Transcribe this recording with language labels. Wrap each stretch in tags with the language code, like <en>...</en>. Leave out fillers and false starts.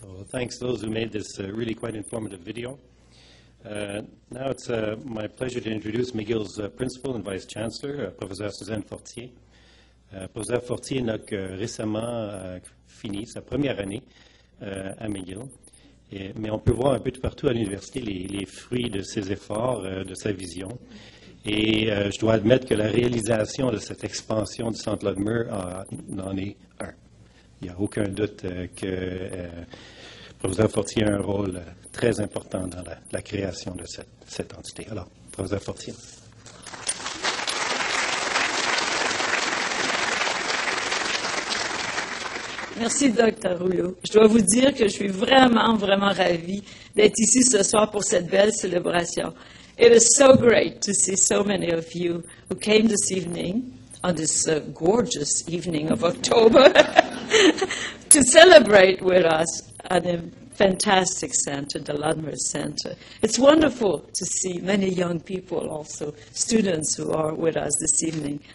<en>Thanks to those who made this really quite informative video. Now it's my pleasure to introduce McGill's principal and vice chancellor, Professor Suzanne Fortier.</en> <fr>Professor Fortier n'a que récemment fini sa première année à McGill, mais on peut voir un peu de partout à l'université les fruits de ses efforts, de sa vision. Et je dois admettre que la réalisation de cette expansion du Centre Ludmer en est un. Il n'y a aucun doute que Professeur Fortier a un rôle très important dans la création de cette entité. Alors, Professeur Fortier. Merci, Dr. Rouleau. Je dois vous dire que je suis vraiment, vraiment ravie d'être ici ce soir pour cette belle célébration.</fr> <en>It is so great to see so many of you who came this evening, on this gorgeous evening of October, to celebrate with us at the fantastic center, the Ludmer Center. It's wonderful to see many young people also, students who are with us this evening.</en>